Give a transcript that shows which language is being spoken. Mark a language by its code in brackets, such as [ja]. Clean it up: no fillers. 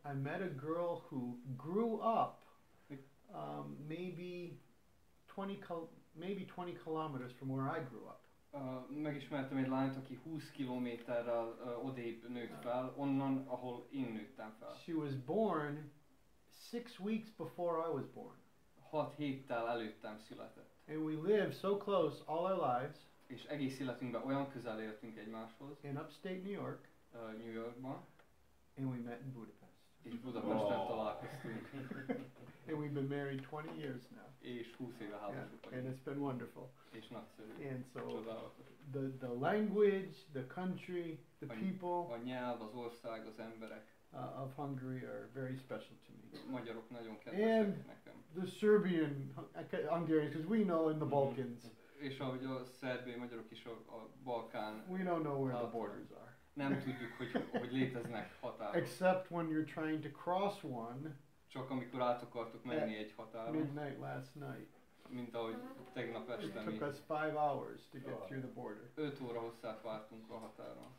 [en] I met a girl who grew up maybe 20 kilometers from where I grew up. [hu] Megismertem egy lányt, aki 20 kilométerrel odébb nőtt fel, onnan, ahol én nőttem fel. [en] She was born 6 weeks before I was born. [hu] 6 héttel előttem született. [en] And we lived so close all our lives. [hu] És egész életünkben olyan közel éltünk egymáshoz. [en] In upstate New York. [hu] New Yorkban. [en] And we met in Budapest. [hu] És Budapesten találkoztunk. [en] And we've been married 20 years now. [hu] És 20 éve házasok vagyunk. [en] And it's been wonderful. [hu] És nagyszerű. [en] And so the language, the country, the people. [hu] A nyelv, az ország, az emberek. [en] Of Hungary are very special to me. [hu] Magyarok nagyon kedvesek nekem. [en] And the Serbian Hungarians, because we know in the Balkans. [hu] És ahogy a szerbiai magyarok is a Balkán. [en] We don't know where the borders are. [hu] Nem tudjuk, hogy léteznek határok. [en] Except when you're trying to cross one. [hu] Csak amikor át akartuk menni egy határon. [en] Midnight last night. [hu] Mint ahogy tegnap este mi. [en] It took us 5 hours to get through the border. [hu] 5 óra hosszát vártunk a határon.